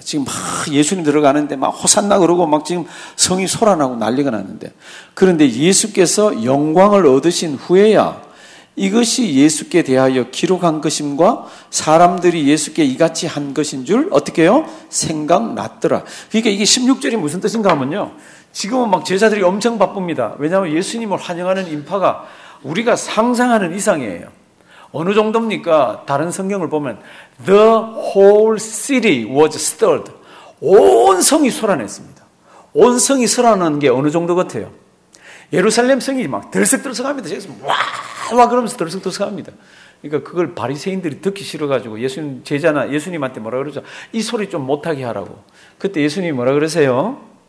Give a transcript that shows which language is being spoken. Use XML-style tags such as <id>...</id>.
<ko>지금 막 예수님 들어가는데 막 호산나 그러고 막 지금 성이 소란하고 난리가 났는데 그런데 예수께서 영광을 얻으신 후에야 이것이 예수께 대하여 기록한 것임과 사람들이 예수께 이같이 한 것인 줄 어떻게 해요? 생각났더라. 그러니까 이게 16절이 무슨 뜻인가 하면요. 지금은 막 제자들이 엄청 바쁩니다. 왜냐하면 예수님을 환영하는 인파가 우리가 상상하는 이상이에요. 어느 정도입니까? 다른 성경을 보면</ko> <en>The whole city was stirred.</en> <ko>온 성이 소란했습니다. 온 성이 소란한 게 어느 정도 같아요? 예루살렘 성이 막 들썩들썩합니다. 저기서 와와 그러면서 들썩들썩합니다. 그러니까 그걸 바리새인들이 듣기 싫어가지고 예수님 제자나 예수님한테 뭐라 그러죠? 이 소리 좀 못하게 하라고. 그때 예수님이 뭐라 그러세요?</ko>